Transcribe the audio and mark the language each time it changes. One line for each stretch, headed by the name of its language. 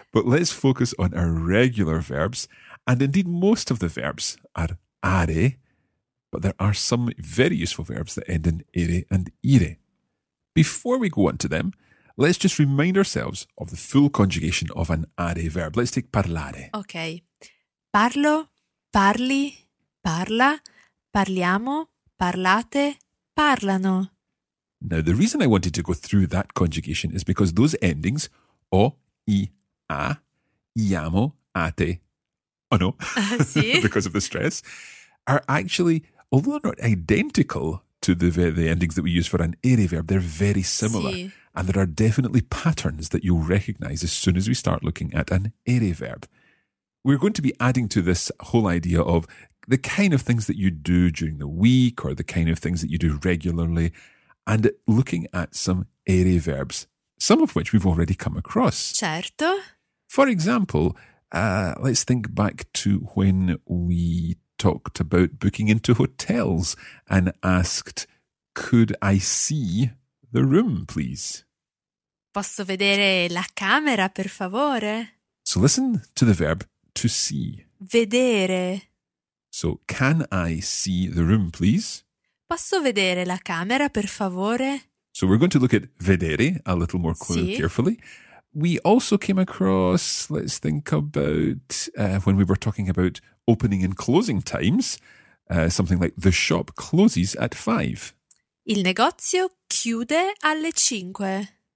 English: But let's focus on our regular verbs. And indeed, most of the verbs are are, but there are some very useful verbs that end in ere and ire. Before we go on to them, let's just remind ourselves of the full conjugation of an are verb. Let's take parlare. Okay.
Italian: Parlo, parli, parla, parliamo, parlate, parlano.
English: Now, the reason I wanted to go through that conjugation is because those endings, o, i, a, iamo, ate, oh no, because of the stress, are actually, although not identical to the endings that we use for an ere verb, they're very similar.
Italian: Sì.
English: And there are definitely patterns that you'll recognize as soon as we start looking at an ere verb. We're going to be adding to this whole idea of the kind of things that you do during the week or the kind of things that you do regularly and looking at some ere verbs, some of which we've already come across.
Italian: Certo.
English: For example, let's think back to when we talked about booking into hotels and asked, could I see the room, please?
Italian: Posso vedere la camera, per favore?
English: So listen to the verb to see.
Italian: Vedere.
English: So can I see the room, please?
Italian: Posso vedere la camera, per favore?
English: So we're going to look at vedere a little more carefully. We also came across, let's think about when we were talking about opening and closing times, something like the shop closes at 5.
Italian: Il negozio chiude alle 5.